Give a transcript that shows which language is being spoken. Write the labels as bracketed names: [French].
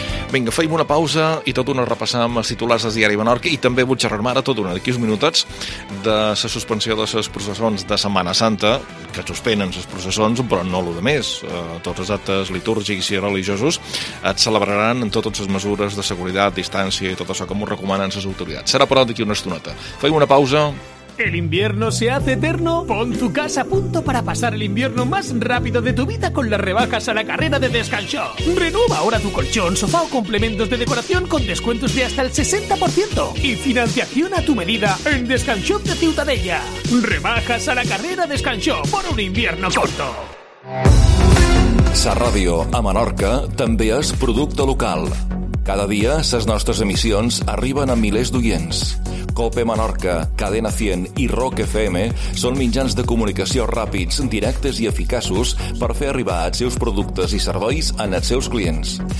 [Catalan] Vinga, feim una pausa i tot una repassam els titulars del Diari Menorca i també vull xerrar ara tot una d'aquí uns minutets de la suspensió de les processons de Setmana Santa, que suspenen les processons, però no lo de més. Tots els actes litúrgics i religiosos et celebraran en totes les mesures de seguretat, distància i tot això com ho recomanen les autoritats. Serà però d'aquí una estoneta. Feim una pausa. [Spanish] ¿El invierno se hace eterno? Pon tu casa a punto para pasar el invierno más rápido de tu vida con las rebajas a la carrera de Descanshop. Renueva ahora tu colchón, sofá o complementos de decoración con descuentos de hasta el 60%. Y financiación a tu medida en Descanshop de Ciutadella. Rebajas a la carrera Descanshop por un invierno corto. [Catalan] Sa Ràdio a Menorca també és producte local. Cada dia les nostres emissions arriben a milers d'oients. COPE Menorca, Cadena 100 i ROC FM són mitjans de comunicació ràpids, directes i eficaços per fer arribar els seus productes i serveis als seus clients.